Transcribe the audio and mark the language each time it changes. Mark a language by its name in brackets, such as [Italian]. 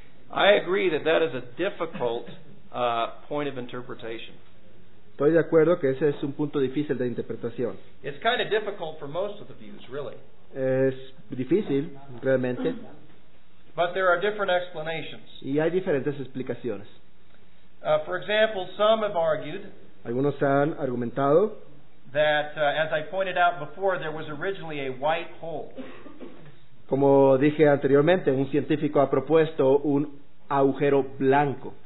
[English] I agree that that is a difficult point of interpretation. [Spanish] Estoy de acuerdo que ese es un punto difícil de interpretación. [English] It's kind of difficult for most of the views, really. [Spanish] Es difícil, realmente. [English] But there are different explanations. [Spanish] Y hay diferentes explicaciones. [English] For example, some have argued. [Spanish] Algunos han argumentado. [English] That, as I pointed out before, there was originally a white hole. [Spanish] Como dije anteriormente, un científico ha propuesto un agujero blanco.